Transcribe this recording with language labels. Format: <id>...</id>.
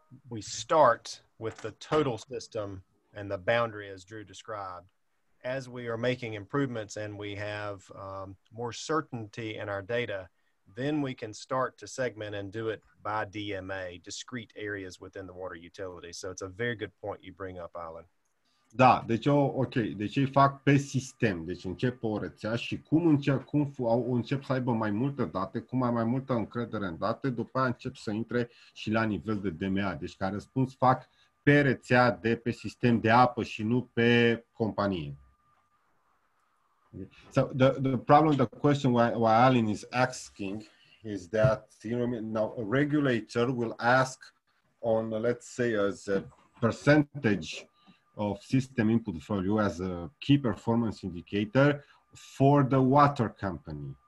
<en>We start with the total system and the boundary as Drew described. As we are making improvements and we have more certainty in our data, then we can start to segment and do it by DMA, discrete areas within the water utility. So it's a very good point you bring up, Alan.</en> <ro>Da, deci deci ei fac pe sistem, deci încep pe o rețea și cum încep să aibă mai multe date, cum ai mai multă încredere în date, după aia încep să intre și la nivel de DMA, deci ca răspuns fac pe rețea de pe sistem de apă și nu pe companie.</ro> <en>So the problem, the question why Alin is asking is that, you know, now a regulator will ask on, let's say, as a percentage of system input value as a key performance indicator for the water company.</en>